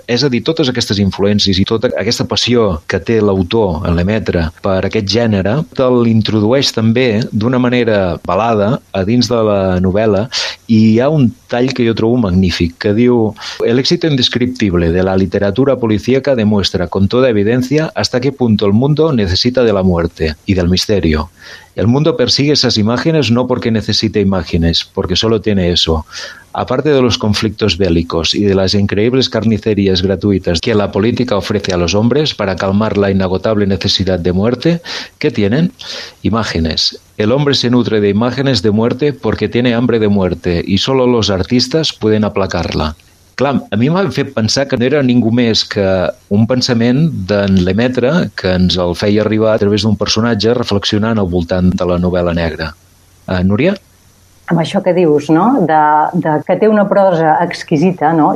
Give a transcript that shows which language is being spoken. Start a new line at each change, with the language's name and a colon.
Catalan: És a dir, totes aquestes influències i tota aquesta passió que té l'autor en l'emetre per aquest gènere te l'introdueix també d'una manera balada a dins de la novel·la, i hi ha un tall que jo trobo magnífic, que diu:
Spanish: "El éxito indescriptible de la literatura policíaca demuestra con toda evidencia hasta qué punto el mundo necesita de la muerte y del misterio. El mundo persigue esas imágenes no porque necesite imágenes, porque solo tiene eso. Aparte de los conflictos bélicos y de las increíbles carnicerías gratuitas que la política ofrece a los hombres para calmar la inagotable necesidad de muerte, ¿qué tienen? Imágenes. El hombre se nutre de imágenes de muerte porque tiene hambre de muerte y solo los artistas pueden aplacarla".
Catalan: Clar, a mi m'ha fet pensar que no era ningú més que un pensament d'en Lemaitre que ens el feia arribar a través d'un personatge reflexionant al voltant de la novel·la negra. Núria? Amb això que dius, no? De que té una prosa exquisita, no?